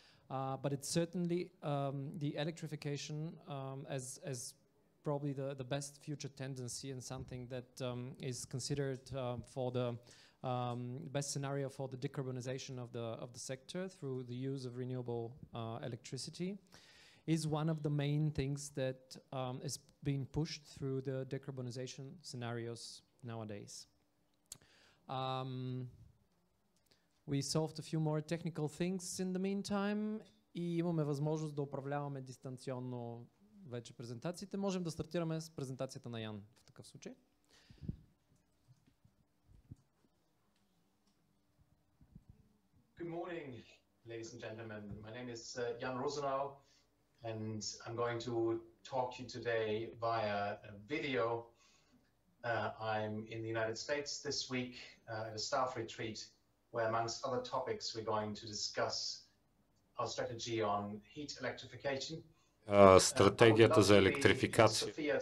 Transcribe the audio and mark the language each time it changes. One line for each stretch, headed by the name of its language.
English: But it's certainly the electrification as probably the best future tendency, and something that is considered for the best scenario for the decarbonization of the sector through the use of renewable electricity, is one of the main things that is being pushed through the decarbonization scenarios nowadays. We solved a few more technical things in the meantime.
Bulgarian: И имаме възможност да управляваме дистанционно вече презентациите. Можем да стартираме с презентацията на Ян в такъв случай.
English: Good morning, ladies and gentlemen. My name is Jan Rosenau, and I'm going to talk to you today via a video. I'm in the United States this week at a staff retreat, where amongst other topics we're going to discuss our strategy on heat electrification.
Bulgarian: Стратегията за електрификация.